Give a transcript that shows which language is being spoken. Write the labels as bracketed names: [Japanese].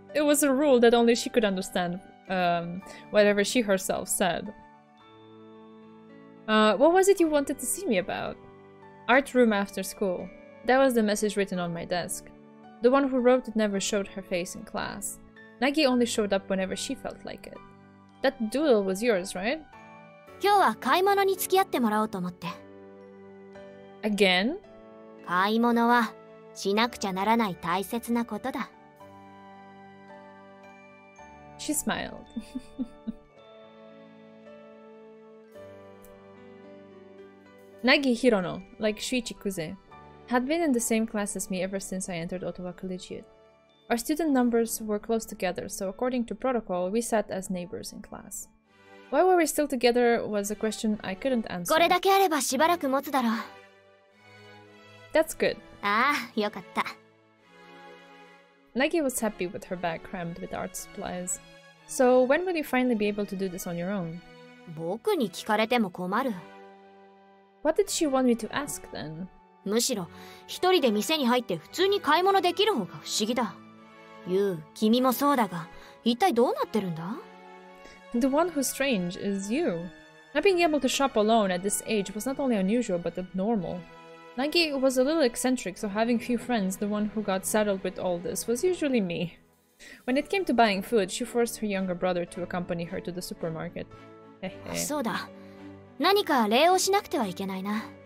[English] It was a rule that only she could understand, whatever she herself said. What was it you wanted to see me about? Art room after school. That was the message written on my desk. The one who wrote it never showed her face in class. Nagi only showed up whenever she felt like it. That doodle was yours, right? [Japanese] 今日は買い物に付き合ってもらおうと思って。 [English] Again? [Japanese] 買い物はしなくちゃならない大切なことだ。 [English] She smiled. Nagi Hirono, like Shuichi Kuze, had been in the same class as me ever since I entered Ottawa Collegiate. Our student numbers were close together, so according to protocol, we sat as neighbors in class. Why were we still together was a question I couldn't answer. [Japanese] これだけあればしばらく持つだろう。 [English] That's good. [Japanese] ああ、よかった。 [English] Nagi was happy with her bag crammed with art supplies. So when will you finally be able to do this on your own? [Japanese] 僕に聞かれても困る。 [English] What did she want me to ask then? [Japanese] むしろ、一人で店に入って普通に買い物できる方が不思議だ。 [English] You, [Japanese] 君もそうだが、一体どうなってるんだ? [English] The one who's strange is you. Not being able to shop alone at this age was not only unusual but abnormal. Nagi was a little eccentric, so having few friends, the one who got saddled with all this was usually me. When it came to buying food, she forced her younger brother to accompany her to the supermarket. [Japanese] そうだ。何か礼をしなくてはいけないな。